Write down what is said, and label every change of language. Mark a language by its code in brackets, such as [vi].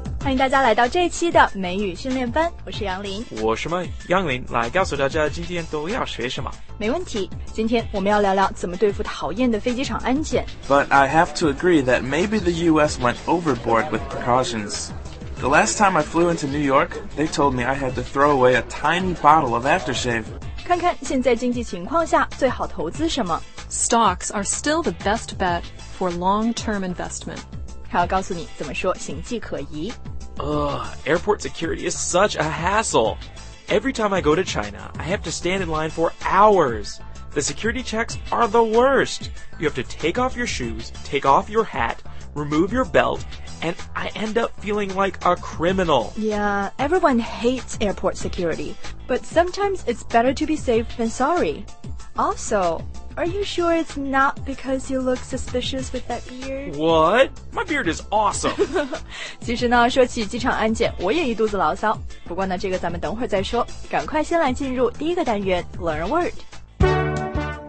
[zh] 迎大家来到这一期的美语训练班，我是杨林。我是杨林，来告诉大家今天都要学什么。没问题，今天我们要聊聊怎么对付讨厌的飞机场安检。 [en] But I have to agree that maybe the US went overboard with precautions. The last time I flew into New York, they told me I had to throw away a tiny bottle of aftershave. [zh] 看看现在经济情况下最好投资什么。 [en] Stocks are still the best bet for long-term investment. [zh] 还要告诉你怎么说行迹可疑。 [en] Airport security is such a hassle. Every time I go to China, I have to stand in line for hours. The security checks are the worst. You have to take off your shoes, take off your hat, remove your belt, and I end up feeling like a criminal. Yeah, everyone hates airport security, but sometimes it's better to be safe than sorry. Also... Are you sure it's not because you look suspicious with that beard? What? My beard is awesome! [zh] 其实呢，说起机场安检，我也一肚子牢骚。不过呢，这个咱们等会儿再说。赶快先来进入第一个单元 ,Learn a Word.